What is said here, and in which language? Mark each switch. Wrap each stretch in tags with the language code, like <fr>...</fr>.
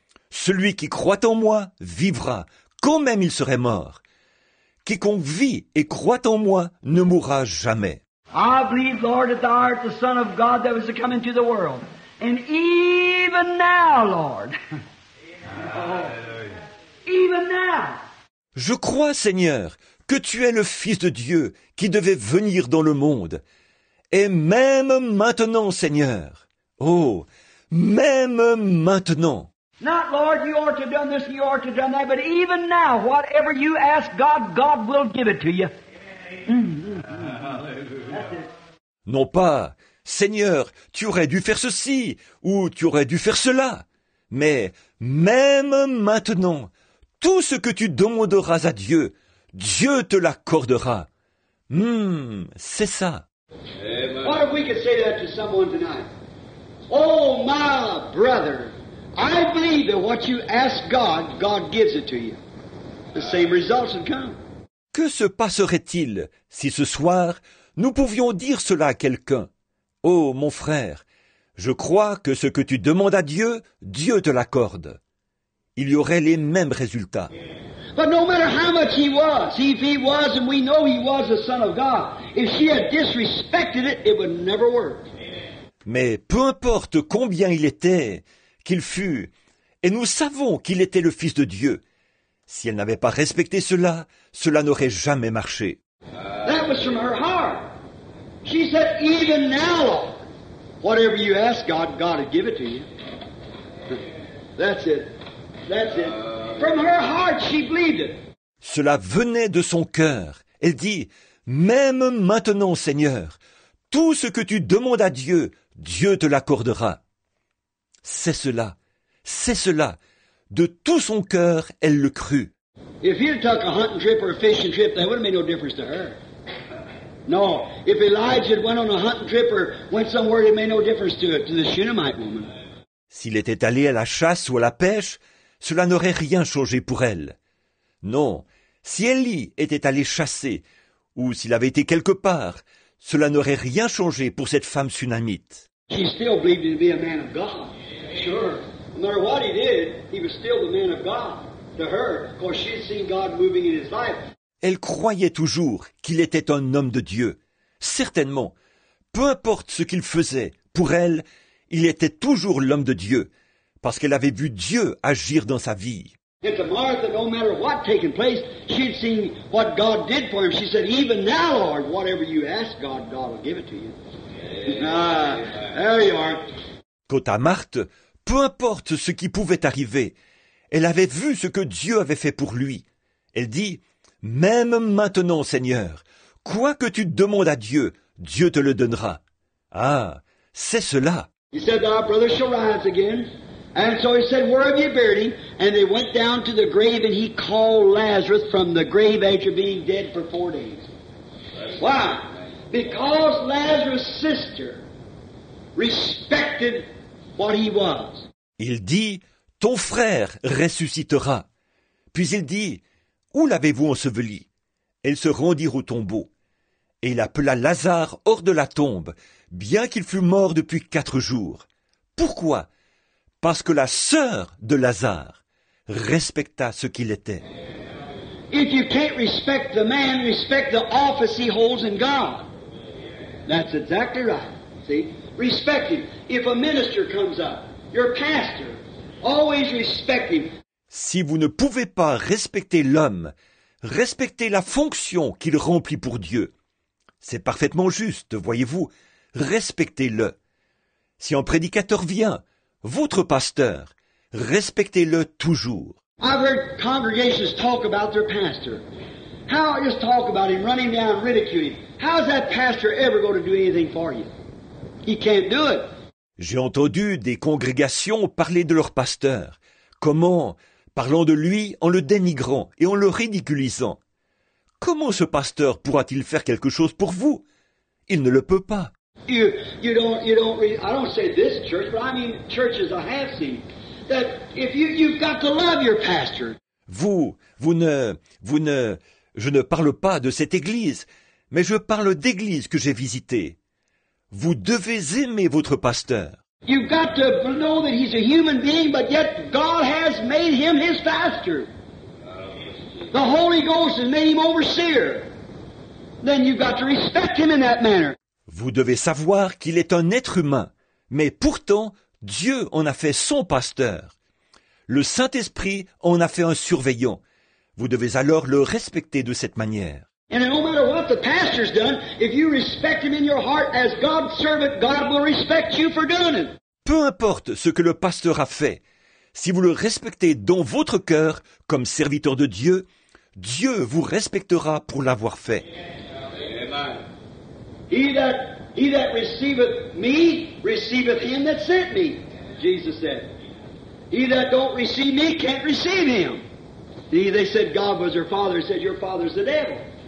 <fr>Celui qui croit en moi vivra, quand même il serait mort. Quiconque vit et croit en moi ne mourra jamais.</fr> <en>I believe, Lord, that thou art the Son of God that was to come into the world. And even now, Lord. Even now.</en> <fr>Je crois, Seigneur, que tu es le Fils de Dieu qui devait venir dans le monde. Et même maintenant, Seigneur. Oh, même maintenant.</fr> <en>Not, Lord, you ought to have done this, you ought to have done that, but even now, whatever you ask God, God will give it to you.</en> <fr>Non pas, Seigneur, tu aurais dû faire ceci, ou tu aurais dû faire cela, mais même maintenant, tout ce que tu demanderas à Dieu, Dieu te l'accordera. C'est ça. Amen.</fr> <en>What if we could say that to someone tonight? Oh, my brother, I believe that what you ask God, God gives it to you. The same results would come.</en> <fr>Que se passerait-il si ce soir nous pouvions dire cela à quelqu'un? Oh, mon frère, je crois que ce que tu demandes à Dieu, Dieu te l'accorde. Il y aurait les mêmes résultats.</fr> <en>But no matter how much he was, see, if he was, and we know he was the Son of God, if she had disrespected it, it would never work.</en> <fr>Mais peu importe combien il était, qu'il fût, et nous savons qu'il était le Fils de Dieu, si elle n'avait pas respecté cela, cela n'aurait jamais marché.</fr> <en>That was from her heart. She said, even now, Lord, whatever you ask God, God will give it to you. That's it. That's it. From her heart, she believed it.</en> <fr>Cela venait de son cœur. Elle dit, même maintenant, Seigneur, tout ce que tu demandes à Dieu, Dieu te l'accordera. C'est cela. C'est cela. De tout son cœur, elle le crut.</fr> <en>If he'd took a hunting trip or a fishing trip, that wouldn't make no difference to her. No, if Elijah went on a hunting trip or went somewhere, it made no difference to it, to the Shunammite woman.</en> <fr>S'il était allé à la chasse ou à la pêche, cela n'aurait rien changé pour elle. Non, si Elie était allé chasser, ou s'il avait été quelque part, cela n'aurait rien changé pour cette femme sunamite.</fr> <en>She still believed him to be a man of God. Sure. No matter what he did, he was still the man of God to her, because she had seen God moving in his life.</en> <fr>Elle croyait toujours qu'il était un homme de Dieu. Certainement. Peu importe ce qu'il faisait, pour elle, il était toujours l'homme de Dieu, parce qu'elle avait vu Dieu agir dans sa vie.</fr> <en>And to Martha, no matter what taking place, she had seen what God did for him. She said, even now, Lord, whatever you ask God, God will give it to you. There you are.</en> <fr>Quant à Marthe, peu importe ce qui pouvait arriver, elle avait vu ce que Dieu avait fait pour lui. Elle dit, « Même maintenant, Seigneur, quoi que tu demandes à Dieu, Dieu te le donnera. » Ah, c'est cela.</fr> <en>He said, our brother shall rise again. And so he said, where have you buried him? And they went down to the grave and he called Lazarus from the grave after being dead for 4 days. Why? Because Lazarus' sister respected what he was.</en> <fr>Il dit, ton frère ressuscitera. Puis il dit, où l'avez-vous enseveli? Elles se rendirent au tombeau. Et il appela Lazare hors de la tombe, bien qu'il fût mort depuis 4 jours. Pourquoi? Parce que la sœur de Lazare respecta ce qu'il était.</fr> <en>If you can't respect the man, respect the office he holds in God. That's exactly right. See? Respect him. If a minister comes up, your pastor, always respect him.</en> <fr>Si vous ne pouvez pas respecter l'homme, respectez la fonction qu'il remplit pour Dieu. C'est parfaitement juste, voyez-vous. Respectez-le. Si un prédicateur vient, votre pasteur, respectez-le toujours.</fr> <en>I've heard congregations talk about their pastor. How just talk about him, running down, ridiculing. How's that pastor ever going to do anything for you? He can't do it.</en> <fr>J'ai entendu des congrégations parler de leur pasteur. Comment? Parlant de lui en le dénigrant et en le ridiculisant. Comment ce pasteur pourra-t-il faire quelque chose pour vous? Il ne le peut pas.</fr> <en>I don't say this church, but I mean churches I have seen. That if you've got to love your pastor.</en> <fr>Je ne parle pas de cette église, mais je parle d'églises que j'ai visitées. Vous devez aimer votre pasteur.</fr> <en>You've got to know that he's a human being, but yet God has made him his pastor. The Holy Ghost has made him overseer. Then you've got to respect him in that manner.</en> <fr>Vous devez savoir qu'il est un être humain, mais pourtant, Dieu en a fait son pasteur. Le Saint-Esprit en a fait un surveillant. Vous devez alors le respecter de cette manière.</fr> <en>And no matter what the pastor's done, if you respect him in your heart as God's servant, God will respect you for doing it.</en> <fr>Peu importe ce que le pasteur a fait, si vous le respectez dans votre cœur comme serviteur de Dieu, Dieu vous respectera pour l'avoir fait.</fr> <en>He that receiveth me receiveth him that sent me, Jesus said. He that don't receive me can't receive him. They said God was your father, said your father's the devil.</en>